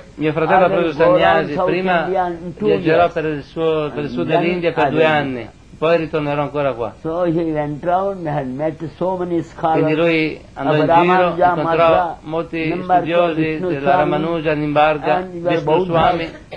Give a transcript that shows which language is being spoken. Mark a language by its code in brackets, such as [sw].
[it] mio fratello ha preso sannyasi, prima viaggerò per il sud dell'India per 2 anni. Poi ritornerò ancora qua. [en] So he went round and met so many scholars. [it] Quindi lui andò in giro, incontrò molti studiosi della Ramanuja, Nimbarga, Vishnu Swami.